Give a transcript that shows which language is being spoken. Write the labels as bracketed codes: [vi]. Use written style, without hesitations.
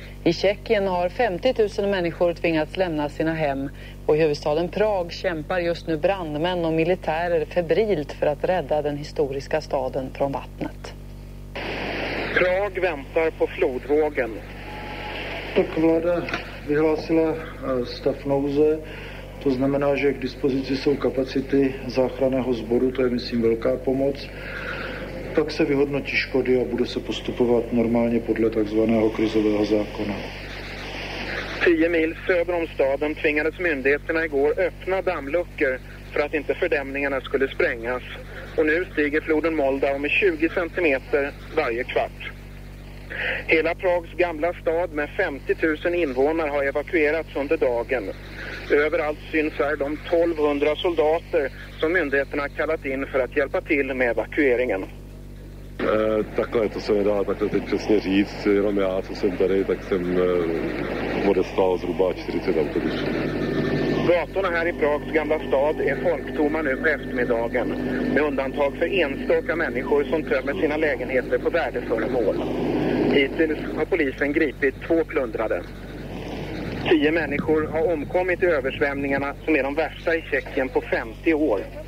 [sv] I Tjeckien har 50 000 människor tvingats lämna sina hem och i huvudstaden Prag kämpar just nu brandmän och militärer febrilt för att rädda den historiska staden från vattnet. Prag väntar på flodvågen. [cs] Vlada vyhlásila stav nouze. To znamená, že k dispozici jsou kapacity záchranného sboru, to je myslím velká pomoc. Tak se vyhodnotí škody a bude se postupovat normálně podle takzvaného krizového zákona. [sv] 10 mil söder om staden tvingades myndigheterna igår öppna dammluckor för att inte fördämningarna skulle sprängas. Och nu stiger floden Moldau med 20 cm varje kvart. Hela Prags gamla stad med 50 000 invånare har evakuerats under dagen. Överallt syns här de 1200 soldater som myndigheterna kallat in för att hjälpa till med evakueringen. [cs] Takhle, to se nedá takhle teď přesně říct, jenom já, co jsem tady, tak jsem odeslal zhruba 40 autobusů. [sv] Gatorna här i Prags gamla stad är folktomma nu på eftermiddagen, med undantag för enstaka människor som tömmer sina lägenheter på värdeföremål. Hittills har polisen gripit två plundrade. 10 människor har omkommit i översvämningarna som är de värsta i Tjeckien på 50 år.